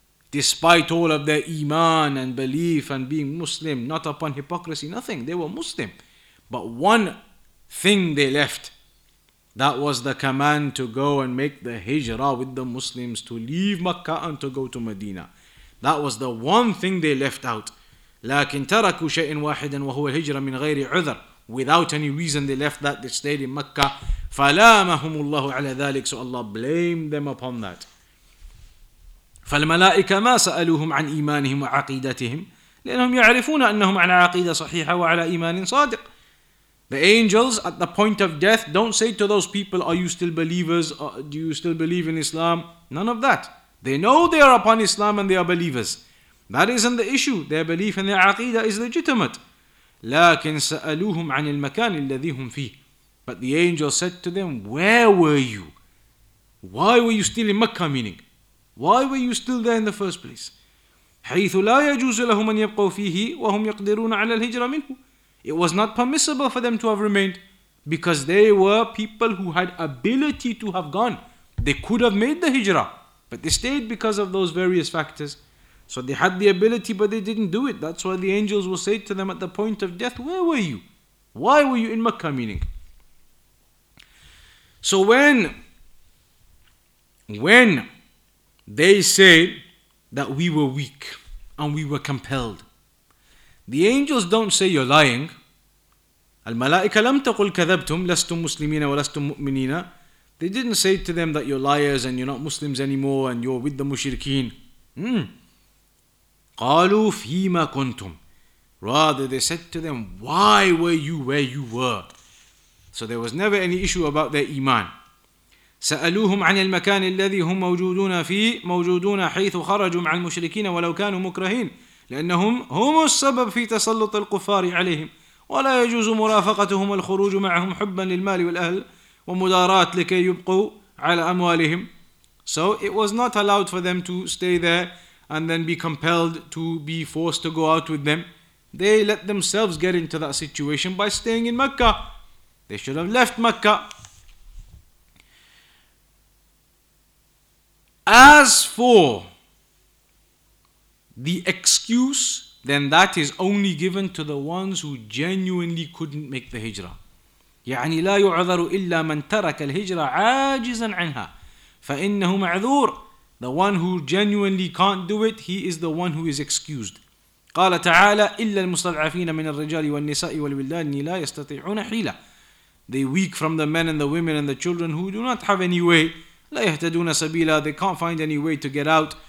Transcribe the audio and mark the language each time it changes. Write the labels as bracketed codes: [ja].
[en] Despite all of their iman and belief and being Muslim, not upon hypocrisy, nothing. They were Muslim. But one thing they left, that was the command to go and make the hijrah with the Muslims, to leave Makkah and to go to Medina. That was the one thing they left out. [ar] لكن تركوا شيئا واحدا وهو الهجرة من غير عذر. [en] Without any reason they left that, they stayed in Makkah. [ar] فلامهم الله على ذلك. [en] So Allah blamed them upon that. [ar] فالملائكة ما سألوهم عن إيمانهم وعقيدتهم لأنهم يعرفون أنهم على عقيدة صحيحة وعلى إيمان صادق. [en] The angels at the point of death don't say to those people, are you still believers? Do you still believe in Islam? None of that. They know they are upon Islam and they are believers. That isn't the issue. Their belief and their عقيدة is legitimate. [ar] لكن سألوهم عن المكان الذي هم فيه. [en] But the angels said to them, where were you? Why were you still in Mecca, meaning? Why were you still there in the first place? [ar] حيث لا يجوز لهم أن يبقوا فيه وهم يقدرون على الهجرة منه. [en] It was not permissible for them to have remained because they were people who had ability to have gone. They could have made the hijrah, but they stayed because of those various factors. So they had the ability, but they didn't do it. That's why the angels will say to them at the point of death, where were you? Why were you in Mecca, meaning? So when they say that we were weak and we were compelled, the angels don't say you're lying. [ar] الملائكة لم تقل كذبتم لستم مسلمين ولستم مؤمنين. [en] They didn't say to them that you're liars and you're not Muslims anymore and you're with the mushrikeen. [ar] قالوا فيما كنتم. [en] Rather they said to them, why were you where you were? So there was never any issue about their iman. [ar] سألوهم عن المكان الذي هم موجودون فيه موجودون حيث خرجوا مع المشركين ولو كانوا مكرهين لأنهم هم السبب في تسلط الكفار عليهم ولا يجوز مرافقتهم الخروج معهم حبا للمال والأهل ومدارات لكي يبقوا على أموالهم. [en] So it was not allowed for them to stay there and then be compelled to be forced to go out with them. They let themselves get into that situation by staying in Mecca. They should have left Mecca. As for the excuse, then that is only given to the ones who genuinely couldn't make the hijrah. [ar] يعني لا يعذر إلا من ترك الهجرة عاجزا عنها فإنه معذور. [en] The one who genuinely can't do it, he is the one who is excused. [ar] قال تعالى إلا المستضعفين من الرجال والنساء والولدان لا يستطيعون حيلة. [en] The weak from the men and the women and the children who do not have any way. [ar] لا يهتدون سبيلا. [en] They can't find any way to get out.